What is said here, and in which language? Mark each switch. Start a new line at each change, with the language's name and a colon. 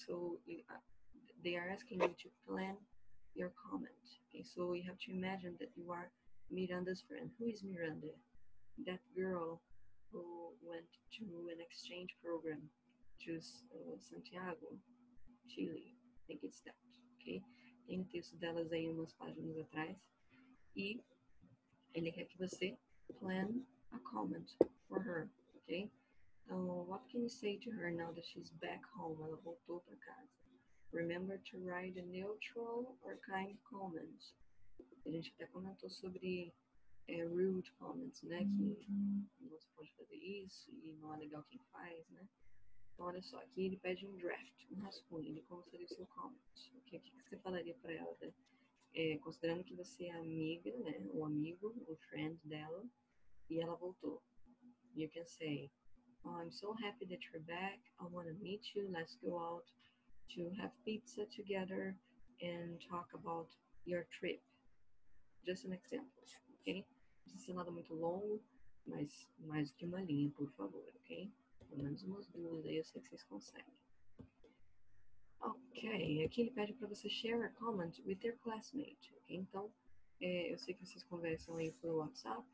English: So they are asking you to plan your comment, okay? So you have to imagine that you are Miranda's friend. Who is Miranda? That girl who went to an exchange program to Santiago, Chile. I think it's that, okay?
Portuguese: Tem texto delas aí umas páginas atrás. E ele quer que você
English: plan a comment for her, okay?
Portuguese: Então,
English: what can you say to her now that she's back home?
Portuguese: Ela voltou para casa.
English: Remember to write a neutral or kind comment.
Portuguese: A gente até comentou sobre
English: rude comments,
Portuguese: né? Que você pode fazer isso e não é legal quem faz, né? Então, olha só, aqui ele pede um draft, um rascunho, ele consideraria o seu comment. Okay? O que você falaria para ela? Né? Considerando que você é amiga, né? O amigo, o friend dela, e ela voltou.
English: You can say, oh, I'm so happy that you're back, I want to meet you, let's go out to have pizza together and talk about your trip. Just an example, ok?
Portuguese: Não precisa ser nada muito longo, mas mais que uma linha, por favor, ok? Pelo menos umas duas, aí eu sei que vocês conseguem. Ok, aqui ele pede para você
English: share a comment with your classmate,
Portuguese: ok? Então, eu sei que vocês conversam aí pelo WhatsApp.